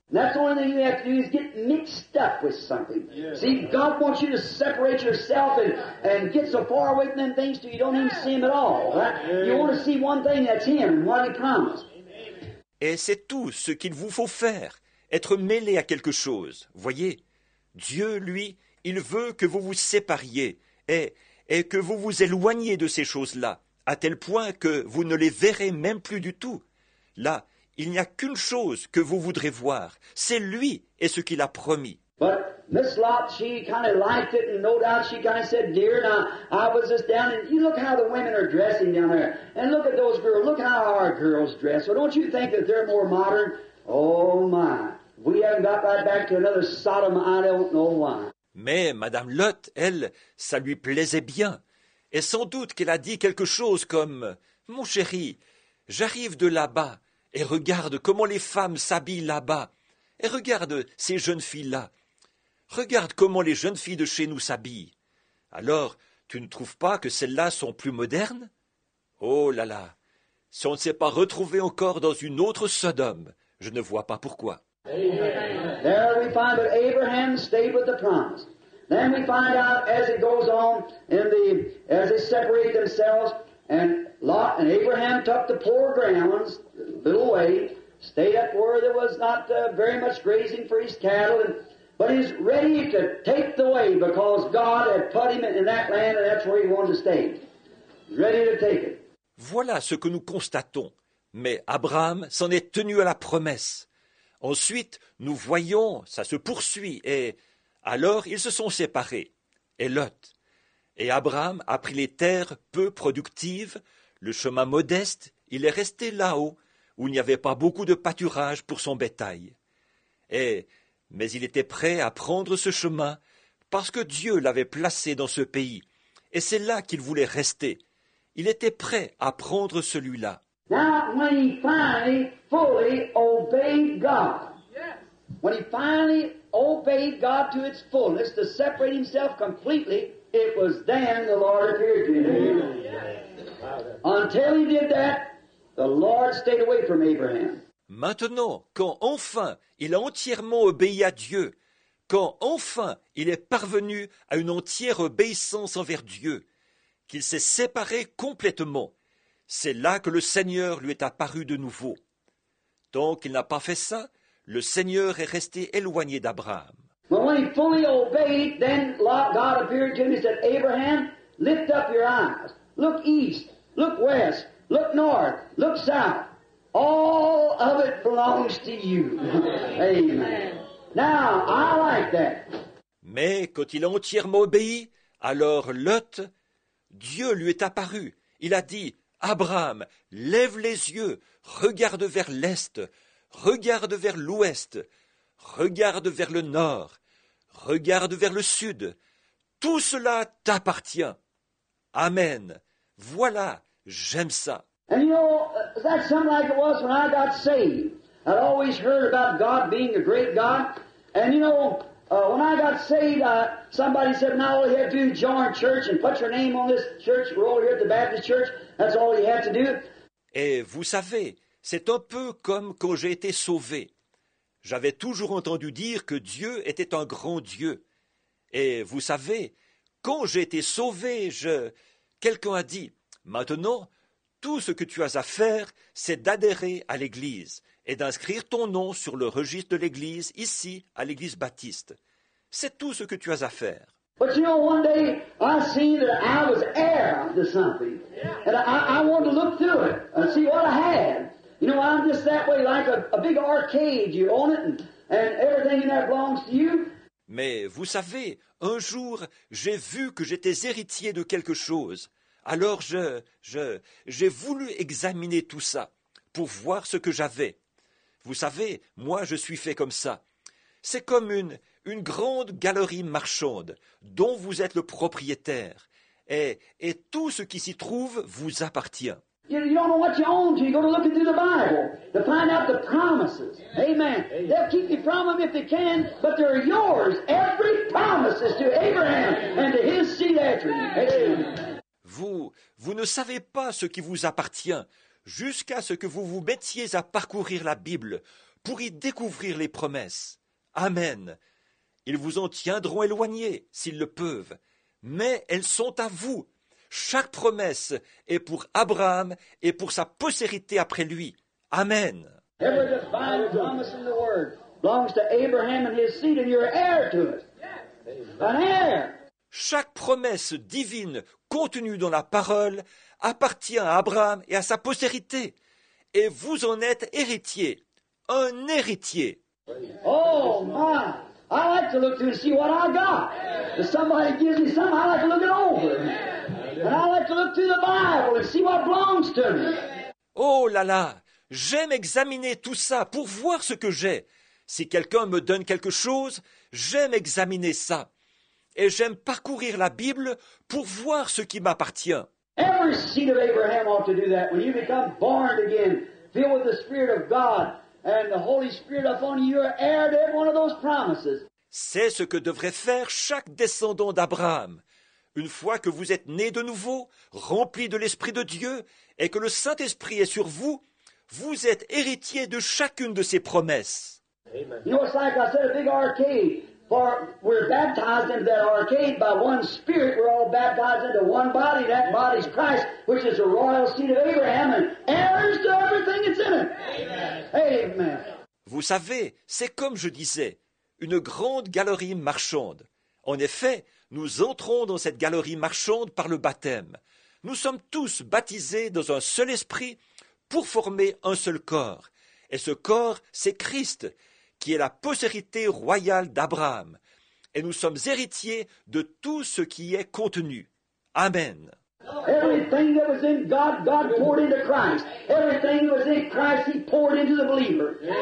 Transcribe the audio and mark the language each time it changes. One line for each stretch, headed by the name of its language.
English: That's the only thing you have to do is get mixed up with something. Yeah. See, God wants you to separate yourself and get so far away from them things till you don't even see Him at all. Right? Yeah. You want to see one thing, that's Him, what He promised.
French: Et c'est tout ce qu'il vous faut faire, être mêlé à quelque chose. Voyez, Dieu, lui, il veut que vous vous sépariez et que vous vous éloigniez de ces choses-là, à tel point que vous ne les verrez même plus du tout. Là, il n'y a qu'une chose que vous voudrez voir, c'est lui et ce qu'il a promis.
English: But Miss Lot, she kind of liked it, and no doubt she kind of said, "Dear, now I was just down, and you look how the women are dressing down there, and look at those girls. Look how our girls dress. So don't you think that they're more modern? Oh my, we haven't got right back to another Sodom. I don't know why."
French: Mais Madame Lot, elle, ça lui plaisait bien, et sans doute qu'elle a dit quelque chose comme, "Mon chéri, j'arrive de là-bas, et regarde comment les femmes s'habillent là-bas. Et regarde ces jeunes filles-là. Regarde comment les jeunes filles de chez nous s'habillent. Alors, tu ne trouves pas que celles-là sont plus modernes? Oh là là, si on ne s'est pas retrouvé encore dans une autre Sodome, je ne vois pas pourquoi."
English: There we find that Abraham stayed with the promise. Then we find out as it goes on, as they separate themselves, and Lot and Abraham took the poor grounds, a little way, stayed up where there was not very much grazing for his cattle, but he's ready to take the way because God had put him in that land and that's where he wanted to stay. Ready to take it.
French: Voilà ce que nous constatons. Mais Abraham s'en est tenu à la promesse. Ensuite, nous voyons, ça se poursuit, et alors ils se sont séparés, et Lot. Et Abraham a pris les terres peu productives, le chemin modeste, il est resté là-haut, où il n'y avait pas beaucoup de pâturage pour son bétail. Mais il était prêt à prendre ce chemin parce que Dieu l'avait placé dans ce pays. Et c'est là qu'il voulait rester. Il était prêt à prendre celui-là.
English: Now, when he finally fully obeyed God, yes. When he finally obeyed God to its fullness, to separate himself completely, it was then the Lord appeared to him. Yes. Until he did that, the Lord stayed away from Abraham.
French: Maintenant, quand enfin il a entièrement obéi à Dieu, quand enfin il est parvenu à une entière obéissance envers Dieu, qu'il s'est séparé complètement, c'est là que le Seigneur lui est apparu de nouveau. Tant qu'il n'a pas fait ça, le Seigneur est resté éloigné d'Abraham.
English: But when he fully obeyed, then God appeared to him and said, "Abraham, lift up your eyes. Look east, look west, look north, look south. All of it belongs to you." Amen. Now, I like that.
French: Mais quand il a entièrement obéi, alors Lot, Dieu lui est apparu. Il a dit, "Abraham, lève les yeux, regarde vers l'est, regarde vers l'ouest, regarde vers le nord, regarde vers le sud. Tout cela t'appartient. Amen. Voilà, j'aime ça."
English: And you know, that's something like it was when I got saved. I'd always heard about God being a great God. And you know, when I got saved, somebody said, "Now all you have to do is join church and put your name on this church roll here at the Baptist Church. That's all you have to do."
French: Et vous savez, c'est un peu comme quand j'ai été sauvé. J'avais toujours entendu dire que Dieu était un grand Dieu. Et vous savez, quand j'ai été sauvé, quelqu'un a dit, "Maintenant, tout ce que tu as à faire, c'est d'adhérer à l'Église et d'inscrire ton nom sur le registre de l'Église, ici, à l'Église baptiste. C'est tout ce que tu as à faire.
English: But you know, one day I see that I was heir to something, and I want to look through it and see what I had. You know, I'm just that way, like a big arcade. You own it, and everything in that belongs to you.
French: Mais vous savez, un jour j'ai vu que j'étais héritier de quelque chose. Alors j'ai voulu examiner tout ça pour voir ce que j'avais. Vous savez, moi je suis fait comme ça. C'est comme une grande galerie marchande dont vous êtes le propriétaire, et tout ce qui s'y trouve vous appartient.
English: You don't know what you own until you go to look into the Bible to find out the promises. Amen. They'll keep you from them if they can, but they're yours. Every promise is to Abraham and to his seed after you. Amen.
French: Vous ne savez pas ce qui vous appartient jusqu'à ce que vous vous mettiez à parcourir la Bible pour y découvrir les promesses. Amen. Ils vous en tiendront éloignés s'ils le peuvent, mais elles sont à vous. Chaque promesse est pour Abraham et pour sa postérité après lui. Amen.
English: Every divine promise in the Word belongs to Abraham and his seed, and you're heir to it. An heir.
French: Chaque promesse divine contenue dans la parole appartient à Abraham et à sa postérité, et vous en êtes héritier, un héritier.
English: Oh my! I like to look through and see what I got. If somebody gives me something, I like to look it over. And I like to look through the Bible and see what belongs to me.
French: Oh là là! J'aime examiner tout ça pour voir ce que j'ai. Si quelqu'un me donne quelque chose, j'aime examiner ça. Et j'aime parcourir la Bible pour voir ce qui m'appartient.
English: Every seed of Abraham ought to do that. When you become born again, filled with the Spirit of God and the Holy Spirit upon you, you're heir to every one of those promises.
French: C'est ce que devrait faire chaque descendant d'Abraham. Une fois que vous êtes né de nouveau, rempli de l'Esprit de Dieu, et que le Saint-Esprit est sur vous, vous êtes héritier de chacune de ses promesses. Amen.
English: You know, it's like I said, a big arcade. For we're baptized into that arcade by one spirit. We're all baptized into one body. That body's Christ, which is the royal seed of Abraham, and heirs to everything that's in it. Amen.
French: Vous savez, c'est comme je disais, une grande galerie marchande. En effet, nous entrons dans cette galerie marchande par le baptême. Nous sommes tous baptisés dans un seul esprit pour former un seul corps. Et ce corps, c'est Christ, qui est la postérité royale d'Abraham. Et nous sommes héritiers de tout ce qui est contenu. Amen.
English: Everything that was in God, God poured into Christ. Everything that was in Christ, He poured into the believer.